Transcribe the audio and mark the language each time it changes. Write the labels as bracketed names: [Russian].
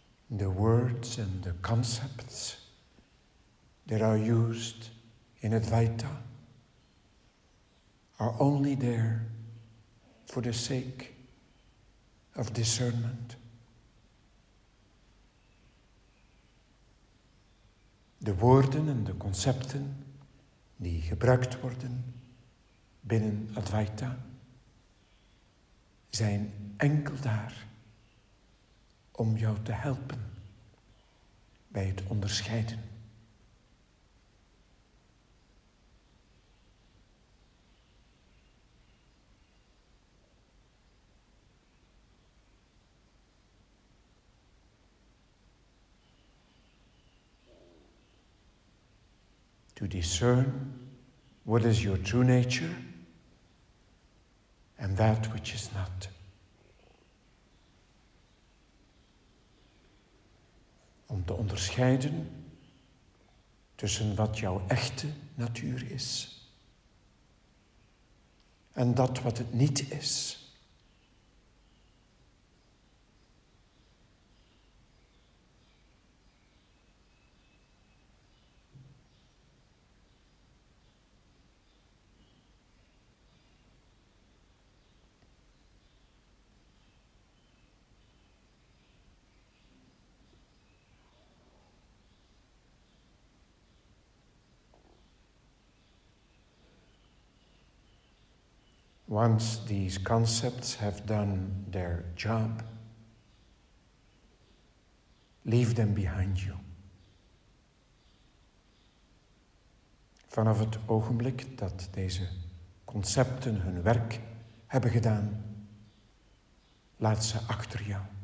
[English] the words and the concepts that are used in Advaita are only there for the sake of discernment. [Dutch] De woorden en de concepten die gebruikt worden binnen Advaita zijn enkel daar om jou te helpen bij het onderscheiden. [English] To discern what is your true nature and that which is not. [Dutch] Om te onderscheiden tussen wat jouw echte natuur is en dat wat het niet is. [English] Once these concepts have done their job, leave them behind you. [Dutch] Vanaf het ogenblik dat deze concepten hun werk hebben gedaan, laat ze achter jou.